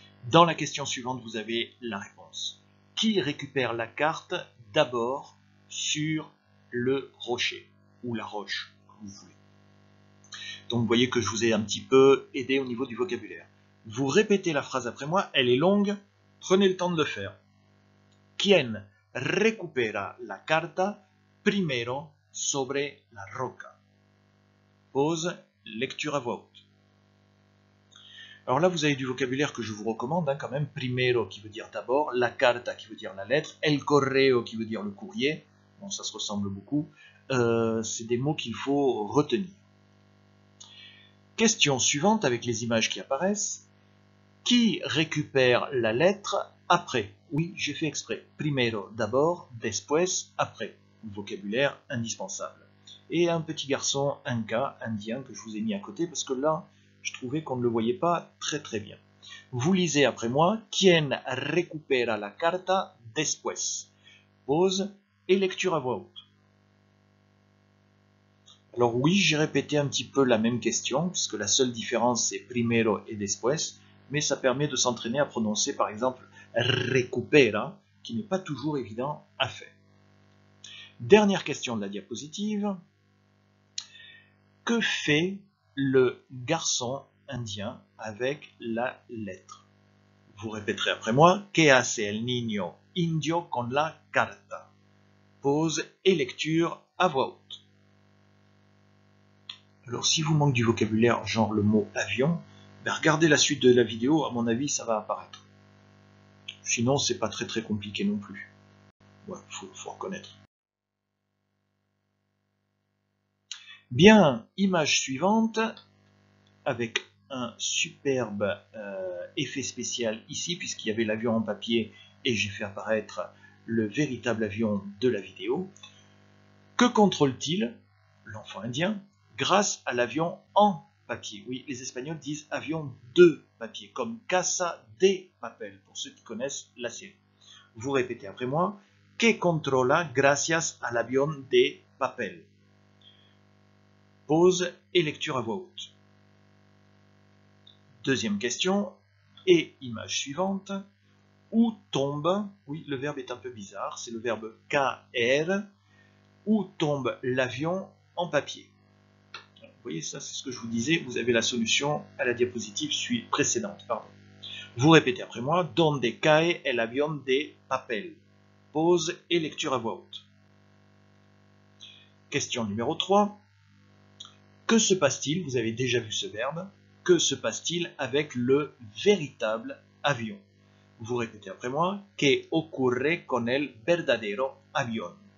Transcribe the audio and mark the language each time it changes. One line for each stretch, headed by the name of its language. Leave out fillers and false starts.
French: Dans la question suivante, vous avez la réponse. Qui récupère la carte d'abord sur le rocher? Ou la roche, comme vous voulez. Donc vous voyez que je vous ai un petit peu aidé au niveau du vocabulaire. Vous répétez la phrase après moi, elle est longue, prenez le temps de le faire.
Spanish: ¿Quién recupera la carta primero sobre la roca?
French: Pause, lecture à voix haute. Alors là, vous avez du vocabulaire que je vous recommande, hein, quand même. Primero qui veut dire d'abord, la carta qui veut dire la lettre, el correo qui veut dire le courrier. Bon, ça se ressemble beaucoup. C'est des mots qu'il faut retenir. Question suivante avec les images qui apparaissent. Qui récupère la lettre après? Oui, j'ai fait exprès. Primero, d'abord, después, après. Vocabulaire indispensable. Et un petit garçon inca, indien, que je vous ai mis à côté parce que là, je trouvais qu'on ne le voyait pas très très bien. Vous lisez après moi.
Spanish: ¿Quién recupera la carta después?
French: Pause et lecture à voix haute. Alors oui, j'ai répété un petit peu la même question, puisque la seule différence c'est primero et después, mais ça permet de s'entraîner à prononcer par exemple recupera, qui n'est pas toujours évident à faire. Dernière question de la diapositive. Que fait le garçon indien avec la lettre? Vous répéterez après moi.
Spanish: ¿Qué hace el niño indio con la carta?
French: Pause et lecture à voix haute. Alors, si vous manque du vocabulaire, genre le mot avion, ben regardez la suite de la vidéo, à mon avis, ça va apparaître. Sinon, c'est pas très très compliqué non plus. Ouais, faut reconnaître. Bien, image suivante, avec un superbe effet spécial ici, puisqu'il y avait l'avion en papier et j'ai fait apparaître le véritable avion de la vidéo. Que contrôle-t-il, l'enfant indien? Grâce à l'avion en papier. Oui, les Espagnols disent avion de papier, comme Casa de Papel, pour ceux qui connaissent la série. Vous répétez après moi.
Spanish: ¿Qué controla gracias al avión de papel?
French: Pause et lecture à voix haute. Deuxième question et image suivante. Où tombe, oui, le verbe est un peu bizarre, c'est le verbe caer, où tombe l'avion en papier? Vous voyez, ça, c'est ce que je vous disais. Vous avez la solution à la diapositive précédente. Pardon. Vous répétez après moi.
Spanish: ¿Dónde cae el avión de papel?
French: Pause et lecture à voix haute. Question numéro 3. Que se passe-t-il? Vous avez déjà vu ce verbe. Que se passe-t-il avec le véritable avion? Vous répétez après moi.
Spanish: ¿Qué ocurre con el verdadero avión?